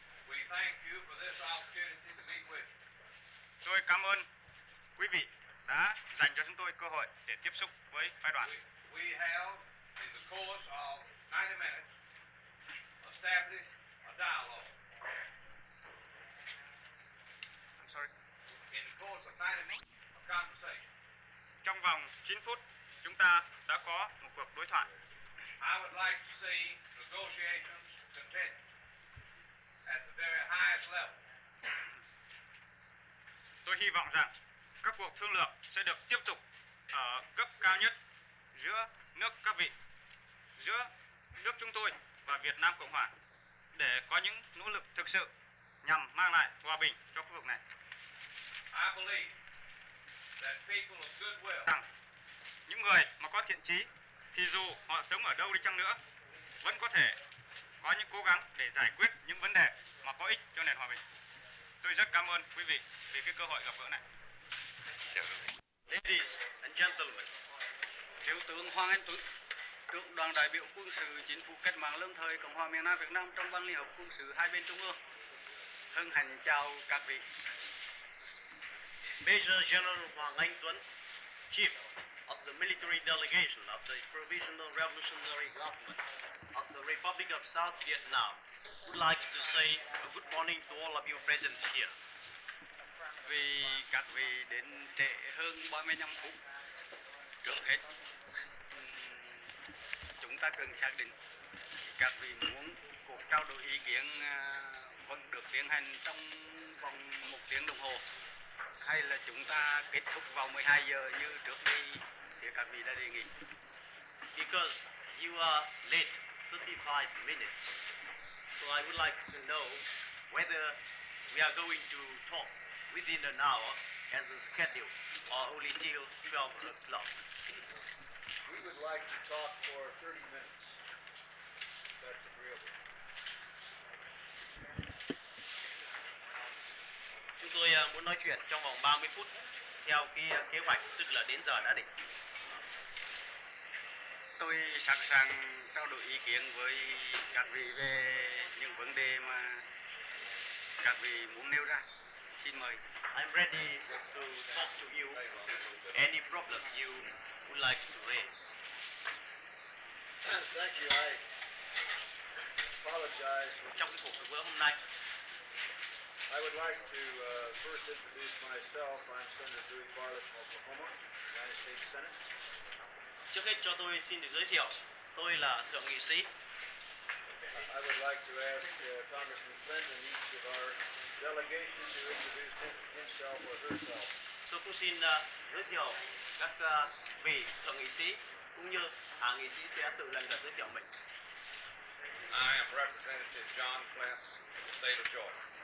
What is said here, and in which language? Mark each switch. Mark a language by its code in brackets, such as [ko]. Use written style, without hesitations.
[en] We thank you for this opportunity to meet with. [vi] Tôi cảm ơn quý vị đã dành cho chúng tôi cơ hội để tiếp xúc với phái đoàn. [en] We have, in the course of 90 minutes, established a dialogue. I'm sorry. In the course of 90 minutes of conversation. [vi] Trong vòng 9 phút, chúng ta đã có một cuộc đối thoại. [en] I would like to see negotiations continue at the very highest level. [vi] Tôi hy vọng rằng các cuộc thương lượng sẽ được tiếp tục ở cấp cao nhất giữa nước các vị, giữa nước chúng tôi và Việt Nam Cộng Hòa, để có những nỗ lực thực sự nhằm mang lại hòa bình cho khu vực này. [en] I believe that people of goodwill, [vi] rằng những người mà có thiện chí thì dù họ sống ở đâu đi chăng nữa vẫn có thể có những cố gắng để giải quyết những vấn đề mà có ích cho nền hòa bình. Tôi rất cảm ơn quý vị vì cái cơ hội gặp gỡ này. [en] Ladies and gentlemen, [vi] Thiếu tướng Hoàng Anh Tuấn, trưởng đoàn đại biểu quân sự chính phủ cách mạng lâm thời Cộng hòa miền Nam Việt Nam trong ban liên hợp quân sự hai bên Trung ương, hân hạnh chào các vị. [en] Major General Hoàng Anh Tuấn, Chief of the Military Delegation of the Provisional Revolutionary Government of the Republic of South Vietnam, would like to say a good morning to all of you present here. [vi] Vì các vị đến trễ hơn 35 phút, trước hết chúng ta cần xác định các vị muốn cuộc trao đổi ý kiến vẫn được tiến hành trong vòng một tiếng đồng hồ, hay là chúng ta kết thúc vào 12 giờ như trước đây thì các vị đã đề nghị. [en] Because you are late 35 minutes, so I would like to know whether we are going to talk within an hour as a schedule or only till 12 o'clock. We would like to talk for 30 minutes, if that's agreeable. [vi] Chúng tôi muốn nói chuyện trong vòng 30 phút theo cái kế hoạch, tức là đến giờ đã định. Tôi sẵn sàng trao đổi ý kiến với các vị về những vấn đề mà các vị muốn nêu ra. Xin mời. [en] I'm ready to talk to you any problem you would like to raise. Thank you. I apologize. [vi] Trong cuộc phỏng vấn hôm nay, [en] I would like to first introduce myself. I'm Senator Dewey Bartlett from Oklahoma, United States Senate. [vi] Trước hết cho tôi xin được giới thiệu, tôi là thượng nghị sĩ. [en] I would like to ask Congressman Clinton, each of our delegation, to introduce himself or herself. [vi] Tôi cũng xin giới thiệu các vị thượng nghị sĩ cũng như hạ nghị sĩ sẽ tự lần lượt giới thiệu mình. [en] I am Representative John Flint of the state of Georgia.